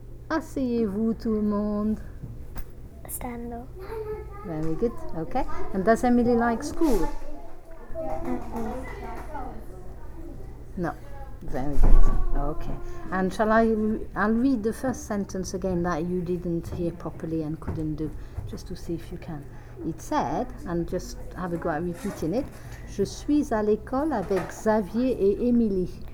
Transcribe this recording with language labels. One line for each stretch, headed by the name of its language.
French: Asseyez-vous tout le monde.
English: Stand up. Very good. Okay. And does Emily like school? Mm-mm. No. Very good. Okay. And shall I I'll read the first sentence again that you didn't hear properly and couldn't do, just to see if you can. It said, and just have a go at repeating it,
French: je suis à l'école avec Xavier et Émilie.